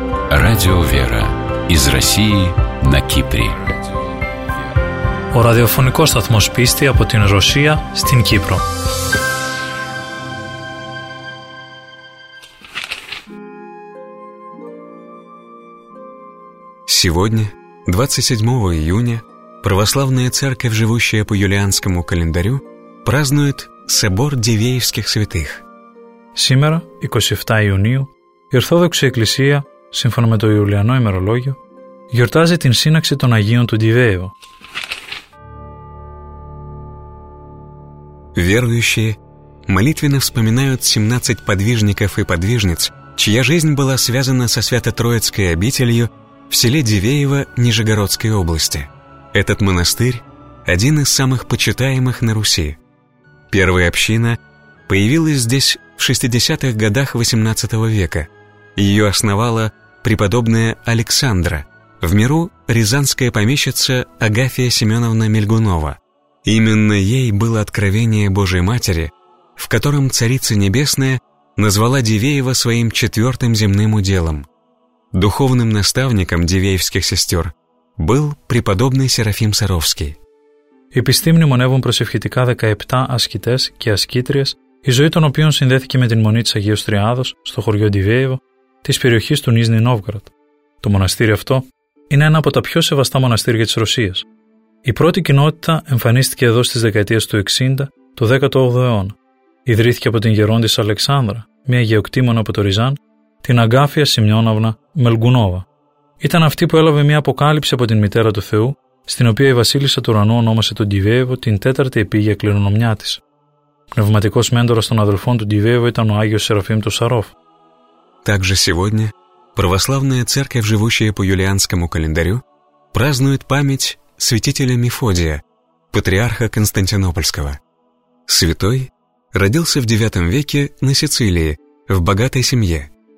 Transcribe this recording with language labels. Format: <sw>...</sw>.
<ru>Радио «Вера» из России на Кипре.</ru> <el>Ο ραδιοφωνικός σταθμός πίστη από την Ρωσία στην Κύπρο.</el> <ru>Сегодня, 27 июня, Православная Церковь, живущая по юлианскому календарю, празднует Собор Дивеевских святых. Сегодня, 27 июня,</ru> <el>Ορθόδοξη Εκκλησία, σύμφωνα με το Ιουλιανό ημερολόγιο, γιορτάζει την σύναξη των Αγίων του Дивеева.</el> <ru>Верующие молитвенно вспоминают 17 подвижников и подвижниц, чья жизнь была связана со Свято-Троицкой обителью в селе Дивеево Нижегородской области. Этот монастырь – один из самых почитаемых на Руси. Первая община появилась здесь в 60-х годах XVIII века. Ее основала преподобная Александра, в миру рязанская помещица Агафья Семеновна Мельгунова. Именно ей было откровение Божией Матери, в котором Царица Небесная назвала Дивеево своим четвертым земным уделом. Духовным наставником дивеевских сестер был преподобный Серафим Саровский.</ru> <el>Επιστήμονες μνημονεύουν προσευχητικά 17 ασκητές και ασκήτριες, η ζωή των οποίων συνδέθηκε με την μονή της Αγίας Τριάδος στο χωριό Дивеево της περιοχής του Νίζνη Νόβγαρντ. Το μοναστήρι αυτό είναι ένα από τα πιο σεβαστά μοναστήρια της Ρωσίας. Η πρώτη κοινότητα εμφανίστηκε εδώ στις δεκαετίες του 60 του 18ου αιώνα. Ιδρύθηκε από την γερόντισσα Αλεξάνδρα, μια γεωκτήμονα από το Ριζάν, την Αγκάφια Σημειώναυνα Μελγκουνόβα. Ήταν αυτή που έλαβε μια αποκάλυψη από την μητέρα του Θεού, στην οποία η Βασίλισσα του Ουρανού ονόμασε τον Дивеево την τέταρτη επίγεια κληρονομιά της. Πνευματικός μέντορας των αδελφών του Дивеево ήταν ο Άγιος Σεραφείμ του Σαρόφ.</el> <ru>Также сегодня православная церковь, живущая по юлианскому календарю, празднует память святителя Мефодия, патриарха Константинопольского. Святой родился в IX веке на Сицилии, в богатой семье.</ru>